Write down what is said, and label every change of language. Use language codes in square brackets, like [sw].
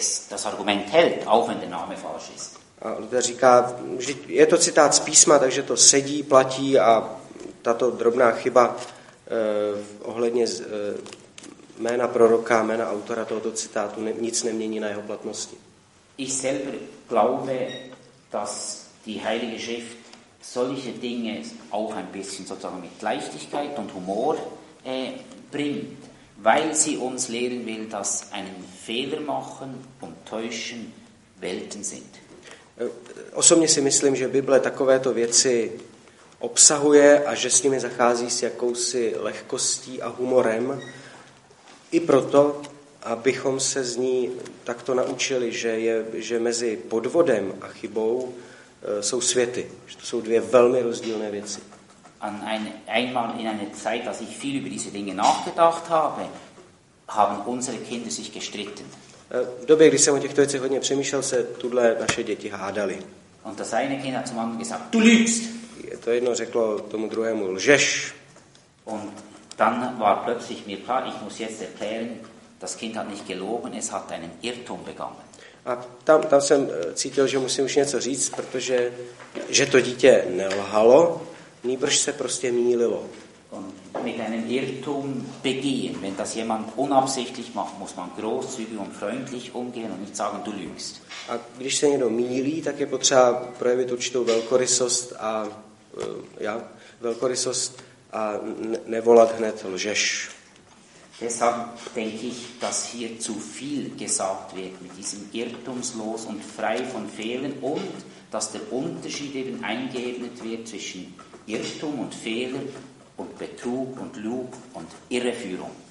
[de] Das Argument hält, auch wenn der Name falsch ist. [cs] A Luther říká, že je to citát z písma, takže to sedí, platí a tato drobná chyba ohledně jména proroka, jména autora tohoto citátu nic nemění na jeho platnosti. [de] Ich selber glaube, dass die Heilige Schrift solche Dinge auch ein bisschen sozusagen mit Leichtigkeit und Humor bringt, weil sie uns lehren will, dass einen Fehler machen und täuschen Welten sind. [cs] Osobně si myslím, že Bible takovéto věci obsahuje a že s nimi zachází s jakousi lehkostí a humorem i proto, abychom se z ní takto naučili, že mezi podvodem a chybou jsou světy, že to jsou dvě velmi rozdílné věci. [de] Einmal in einer Zeit, als ich viel über diese Dinge nachgedacht habe, haben unsere Kinder sich gestritten. [cs] V době, kdy jsem o těchto věcech hodně přemýšlel, se tuhle naše děti hádali. [de] Und das eine Kind hat zum anderen gesagt, du lügst. [cs] To jedno řeklo tomu druhému, lžeš. [de] Und dann war plötzlich mir klar, ich muss jetzt erklären, das Kind hat nicht gelogen, es hat einen Irrtum begangen. [cs] A tam jsem cítil, že musím už něco říct, protože že to dítě nelhalo, nýbrž se prostě mýlilo. [de] Mit einem Irrtum begehen, wenn das jemand unabsichtlich macht, muss man großzügig und freundlich umgehen und nicht sagen, du lügst. [cs] A když se někdo mýlí, tak je potřeba projevit určitou velkorysost a nevolat hned lžeš. [de] Deshalb denke ich, dass hier zu viel gesagt wird mit diesem irrtumslos und frei von Fehlern und dass der Unterschied eben eingeebnet wird zwischen Irrtum und Fehler und Betrug und Lug und Irreführung.